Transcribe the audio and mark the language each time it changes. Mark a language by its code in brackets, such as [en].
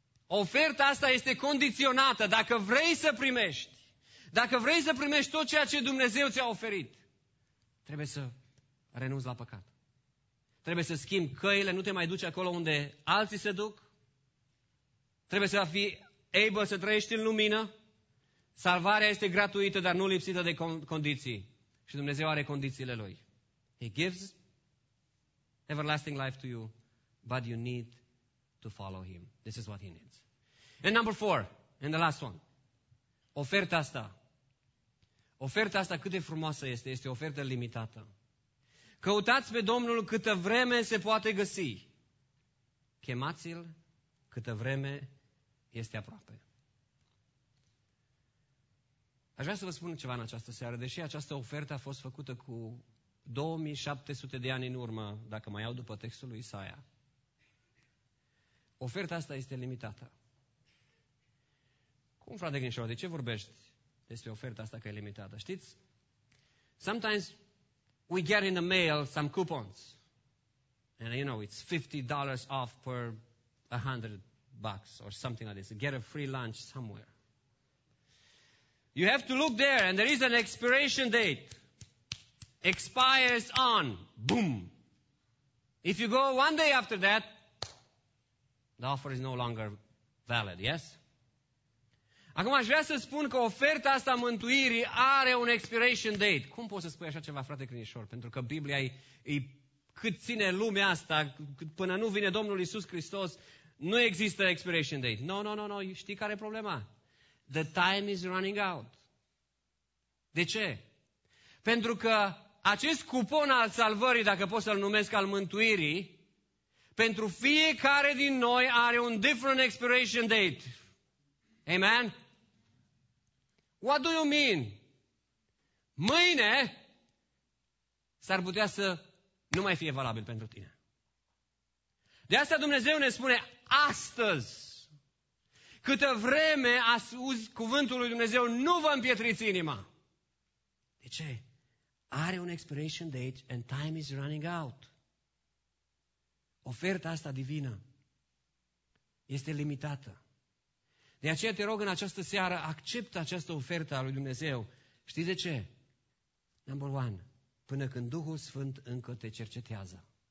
[ro] Oferta asta este condiționată. Dacă vrei să primești, dacă vrei să primești tot ceea ce Dumnezeu ți-a oferit, trebuie să renunți la păcat. Trebuie să schimbi căile, nu te mai duci acolo unde alții se duc. Trebuie să fii able să trăiești în lumină. Salvarea este gratuită, dar nu lipsită de condiții. Și Dumnezeu are condițiile Lui. [en] He gives everlasting life to you, but you need to follow Him. This is what He needs. And number four, and the last one. [ro] Oferta asta. Oferta asta cât de frumoasă este, este ofertă limitată. Căutați pe Domnul câtă vreme se poate găsi. Chemați-L câtă vreme este aproape. Aș vrea să vă spun ceva în această seară, deși această ofertă a fost făcută cu 2700 de ani în urmă, dacă mai iau după textul lui Isaia. Oferta asta este limitată. Cum, frate Grinșor, de ce vorbești despre oferta asta că e limitată? [en] Știți, sometimes we get in the mail some coupons. And you know, it's $50 off per $100 or something like this. Get a free lunch somewhere. You have to look there and there is an expiration date. Expires on. Boom. If you go one day after that, the offer is no longer valid, yes? [ro] Acum aș vrea să spun că oferta asta a mântuirii are un expiration date. Cum poți să spui așa ceva, frate Crinișor? Pentru că Biblia e cât ține lumea asta, până nu vine Domnul Iisus Hristos, nu există expiration date. No. Știi care e problema? [en] The time is running out. [ro] De ce? Pentru că acest cupon al salvării, dacă pot să-l numesc al mântuirii, pentru fiecare din noi are un different expiration date. Amen? [en] What do you mean? [ro] Mâine s-ar putea să nu mai fie valabil pentru tine. De asta Dumnezeu ne spune astăzi, câtă vreme auzi cuvântul lui Dumnezeu, nu vă împietriți inima. De ce? Are un [en] expiration date and time is running out. [ro] Oferta asta divină este limitată. De aceea te rog în această seară, acceptă această ofertă a lui Dumnezeu. Știi de ce? [en] Number one, [ro] până când Duhul Sfânt încă te cercetează.